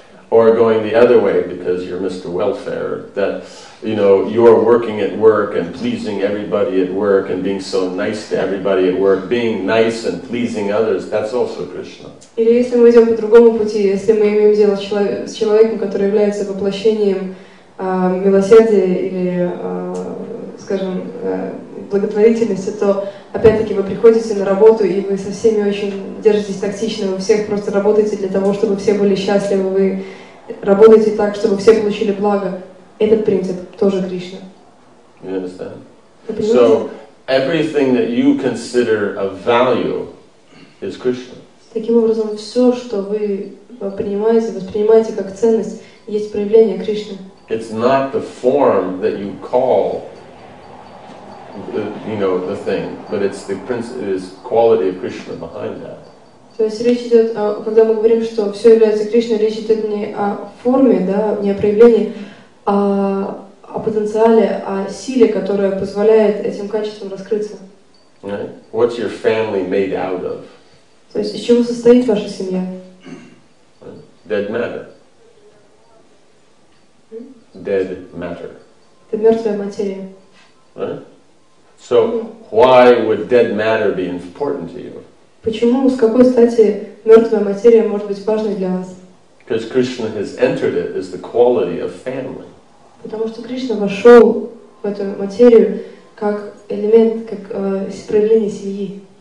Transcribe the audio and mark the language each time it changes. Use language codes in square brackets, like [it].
[en] Or going the other way, because you're Mr. Welfare, that you know you're working at work and pleasing everybody at work and being so nice to everybody at work, being nice and pleasing others, that's also Krishna. [ru] Или если мы идем по другому пути, если мы имеем дело с человеком, который является воплощением милосердия или, скажем, благотворительности, то опять-таки вы приходите на работу и вы со всеми очень держитесь тактично, вы всех просто работаете для того, чтобы все были счастливы, вы работаете так, чтобы все получили благо. Этот принцип тоже Кришна. [en] You understand? So everything that you consider a value is Krishna. [ru] Таким образом, все, что вы принимаете, воспринимаете как ценность, есть проявление Кришны. [en] It's not the form that you call the, you know, the thing, but it's the quality of Krishna behind that. [ru] То есть речь идет, когда мы говорим, что все является Кришной, речь идет не о форме, да, не о проявлении, а о потенциале, о силе, которая позволяет этим качествам раскрыться. [en] Right? What's your family made out of? [ru] То есть из чего состоит ваша семья? [en] Dead matter. Dead matter. [ru] Это мертвая материя. [en] Right? So why would dead matter be important to you? [ru] Почему, с какой стати мертвая материя может быть важной для вас? [en] Because Krishna has entered it as the quality of family. [ru] Потому что Кришна вошел в эту материю как элемент, как проявление семьи.